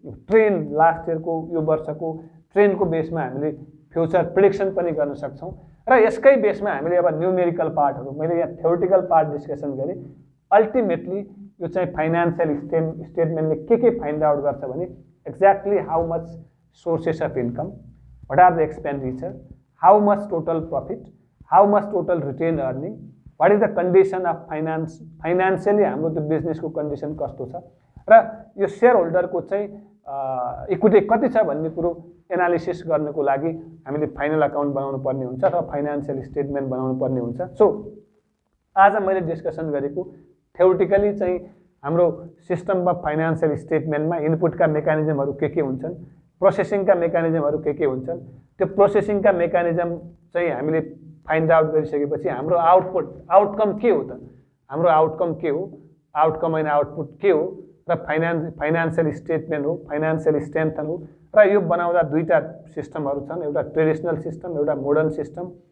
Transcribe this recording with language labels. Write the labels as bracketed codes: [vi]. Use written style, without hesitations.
[ne] Train last इयरको यो वर्षको ट्रेनको बेसमा हामीले फ्युचर प्रिडिक्सन पनि गर्न सक्छौँ र यसकै बेसमा हामीले अब न्युमेरिकल पार्टहरू मैले यहाँ थ्योरिटिकल पार्ट डिस्कसन गरेँ अल्टिमेटली यो चाहिँ फाइनेन्सियल स्टेटमेन्टले के फाइन्ड आउट गर्छ भने [en] Exactly how much sources of income What are the expenditure? How much total profit? How much total retained earning? What is the condition of finance? [ne] Financially, हाम्रो त्यो बिजनेसको condition कस्तो छ र यो सेयर होल्डरको चाहिँ इक्विटी कति छ भन्ने कुरो एनालिसिस गर्नको लागि हामीले फाइनल अकाउन्ट बनाउनु पर्ने हुन्छ र फाइनान्सियल स्टेटमेन्ट बनाउनु पर्ने हुन्छ. सो आज मैले डिस्कसन गरेको थ्योरेटिकली चाहिँ हाम्रो सिस्टममा फाइनान्सियल स्टेटमेन्टमा इनपुटका मेकानिजमहरू के हुन्छन्, प्रोसेसिङका मेकानिजमहरू के हुन्छन्, त्यो प्रोसेसिङका मेकानिजम चाहिँ हामीले फाइन्ड आउट गरिसकेपछि हाम्रो आउटपुट आउटकम के हो त, हाम्रो आउटकम के हो, आउटकम एन्ड आउटपुट के हो र फाइनान्सियल स्टेटमेन्ट हो, फाइनान्सियल स्ट्रेन्थ हो र यो बनाउँदा दुईवटा सिस्टमहरू छन्, एउटा ट्रेडिसनल सिस्टम एउटा मोडर्न सिस्टम.